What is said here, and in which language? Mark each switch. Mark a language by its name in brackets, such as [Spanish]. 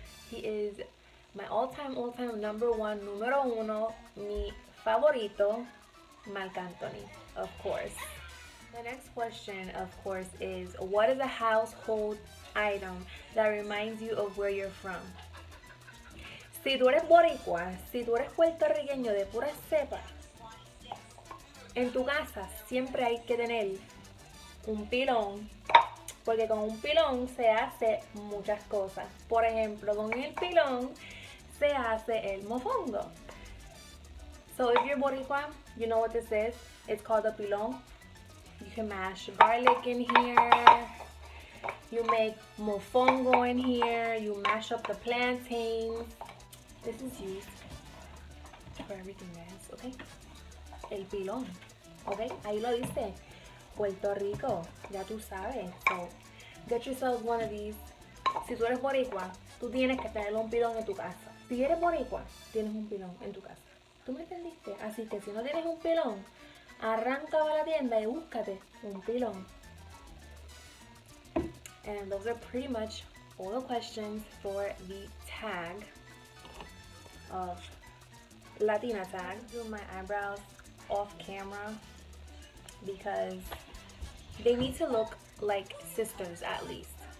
[English] He is my all-time number one, [Spanish] numero uno, mi favorito, [English] Marc Anthony, of course. The next question, of course, is, what is a household item that reminds you of where you're from? [Spanish] Si tú eres boricua, si tú eres puertorriqueño de pura cepa, en tu casa siempre hay que tener un pilón, porque con un pilón se hace muchas cosas. Por ejemplo, con el pilón se hace el mofongo. [English] So if you're boricua, you know what this is. It's called a pilón. You can mash garlic in here. You make mofongo in here. You mash up the plantains. This is used for everything, guys, okay? El pilón. [Spanish] Okay, ahí lo dice, Puerto Rico, ya tú sabes. [English] So, get yourself one of these. [Spanish] Si tú eres boricua, tú tienes que tener un pilón en tu casa. Si eres boricua, tienes un pilón en tu casa. ¿Tú me entendiste? Así que si no tienes un pilón, arranca a la tienda y búscate un pilón. [English] And those are pretty much all the questions for the tag of Latina Tag. I'm doing my eyebrows off camera because they need to look like sisters, at least.